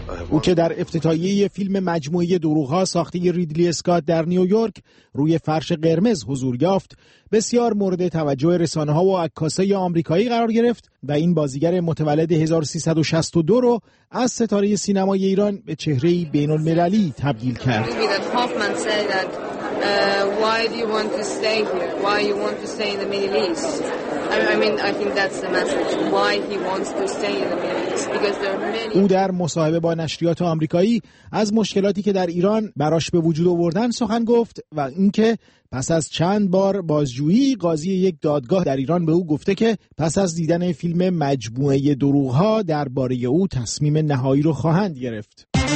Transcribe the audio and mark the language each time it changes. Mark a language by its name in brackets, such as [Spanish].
[Persian] او که در افتتاحیه فیلم مجموعه دروغ‌ها ساخته ریدلی اسکات در نیویورک روی فرش قرمز حضور یافت، بسیار مورد توجه رسانه‌ها و عکاسای آمریکایی قرار گرفت و این بازیگر متولد 1362 رو از ستاره سینمای ایران به چهره‌ای بین‌المللی تبدیل کرد. [English] Why do you want to stay here? Why you want to stay in the Middle East? I think that's the message. Why he wants to stay in the Middle East? [Persian] او در مصاحبه با نشریات آمریکایی از مشکلاتی که در ایران براش به وجود آوردن سخن گفت و اینکه پس از چند بار بازجویی قاضی یک دادگاه در ایران به او گفته که پس از دیدن فیلم مجموعه دروغ‌ها درباره او تصمیم نهایی رو خواهند گرفت.